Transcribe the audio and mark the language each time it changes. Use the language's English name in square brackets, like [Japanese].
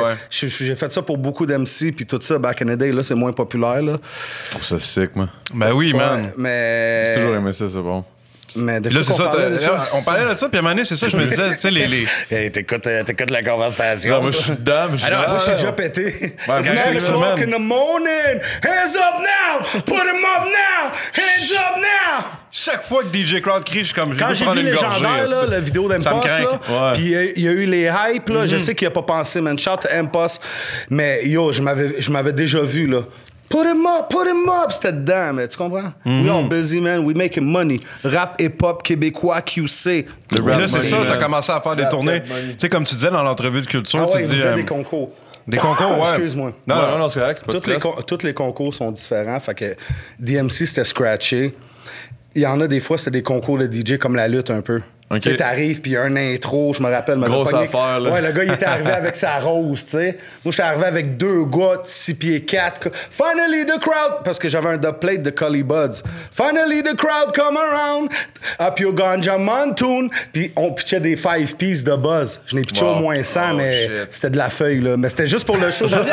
[French] J'ai fait ça pour beaucoup d'MC puis tout ça, back in the day, là, c'est moins populaire. Là. Je trouve ça sick, moi. Ben oui, man. Mais... J'ai toujours aimé ça, c'est bon. Mais depuis là, c'est qu'on ça, parlait de ça, on parlait de ça, puis à un moment donné, c'est ça, je me disais, tu sais, les... Hey, t'écoutes la conversation. Non, moi, je suis dedans, mais je suis... Alors, moi, je suis déjà pété. Ben, c'est [English] man, c'est walk in the morning, hands up now, put him up now, hands up now. [French] Chaque fois que DJ Crowd crie, je suis comme... Quand j'ai vu Légendaire, la vidéo d'Impost, puis il y a eu les hypes, là, je sais qu'il a pas pensé, man, shout to Impost, mais yo, je m'avais déjà vu, là. Put him up, c'était dedans, mais tu comprends? [English] We all busy, man, we making money. [French] Rap, hip-hop, québécois, QC. Le rap là, c'est money, ça, t'as commencé à faire des tournées. Tu sais, comme tu disais dans l'entrevue de Culture, Des concours. Des concours, ouais. Excuse-moi. Non, c'est correct. Tous les concours sont différents, fait que DMC, c'était scratché. Il y en a des fois, c'est des concours de DJ comme la lutte un peu. Okay. Tu sais, t'arrives, puis il y a un intro, je me rappelle. Grosse pogné... affaire, là. Ouais, le gars, il était arrivé avec sa rose, tu sais. Moi, j'étais arrivé avec deux gars de 6 pieds 4. [English] Finally, the crowd... [French] Parce que j'avais un dub plate de Cully Buds. [English] Finally, the crowd come around. Up your ganja mountain. [French] Puis on pitchait des 5 pieces de buzz. Je n'ai pitché au moins 100, oh, mais shit. C'était de la feuille, là. Mais c'était juste pour le show.